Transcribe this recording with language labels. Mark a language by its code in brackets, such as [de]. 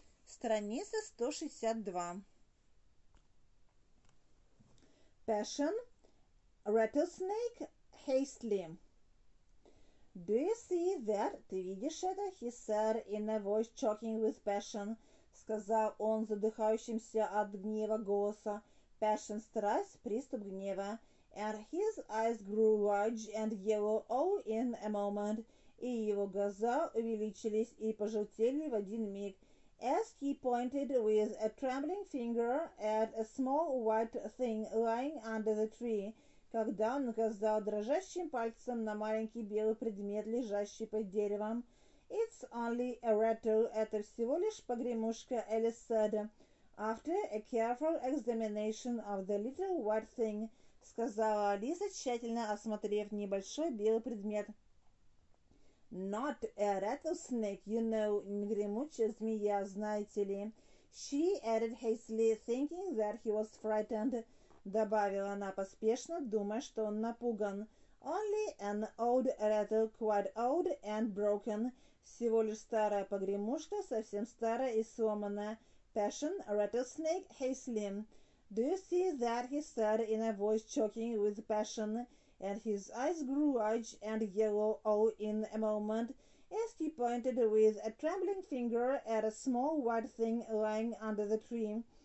[ru] Страница 162. [en] Passion, rattlesnake, hastily. Do you see that? [ru] Ты видишь это? [en] He said in a voice choking with passion. [ru] Сказал он задыхающимся от гнева голоса. Passion, страсть, приступ гнева. [en] And his eyes grew large and yellow all in a moment. [ru] И его глаза увеличились и пожелтели в один миг. [en] As he pointed with a trembling finger at a small white thing lying under the tree, [ru] когда он указал дрожащим пальцем на маленький белый предмет, лежащий под деревом. [en] It's only a rattle, [ru] это всего лишь погремушка, [en] Alice said. After a careful examination of the little white thing, [ru] сказала Алиса, тщательно осмотрев небольшой белый предмет. [en] Not a rattlesnake, you know, [ru] не гремучая змея, знаете ли. [en] She added hastily, thinking that he was frightened. [ru] Добавила она поспешно, думая, что он напуган. [en] Only an old rattle, quite old and broken. [ru] Всего лишь старая погремушка, совсем старая и сломанная. [en] Passion, rattlesnake, hastily. Do you see that, he said in a voice choking with passion. And his eyes grew large and yellow all in a moment, as he pointed with a trembling finger at a small white thing lying under the tree.